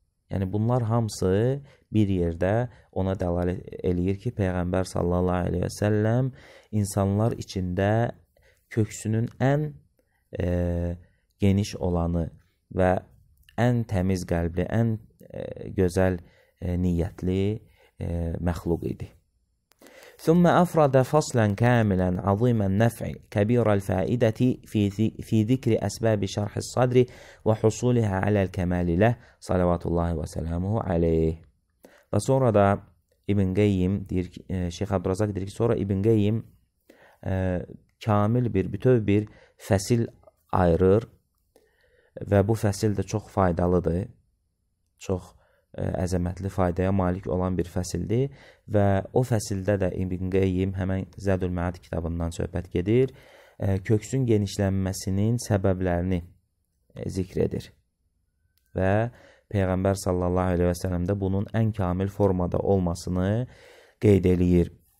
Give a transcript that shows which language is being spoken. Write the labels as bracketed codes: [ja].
[az] Yəni, bunlar hamısı bir yerdə ona dəlalət eləyir ki, Peyğəmbər sallallahu aleyhi və səlləm insanlar içində köksünün ən geniş olanı və ən təmiz qəlbli, ən gözəl niyyətli məxluq idi. [ar] ثم أفرد فصلا كاملا عظيما النفع كبير الفائدة في ذكر أسباب شرح الصدر وحصولها على الكمال له صلوات الله وسلامه عليه. [az] Sonra da İbn Qeyyim deyir ki, Şeyx Abdurazak deyir ki, sonra İbn Qeyyim kamil bir bütöv bir fəsil ayırır və bu fəsil də çox faydalıdır. Çox əzəmətli faydaya malik olan bir fəsildir və o fəsildə də İbn Qeyyim həmən Zədül Məad kitabından söhbət gedir, köksün genişlənməsinin səbəblərini zikr edir və Peyğəmbər sallallahu aleyhi və sələmdə bunun ən kamil formada olmasını qeyd eləyir.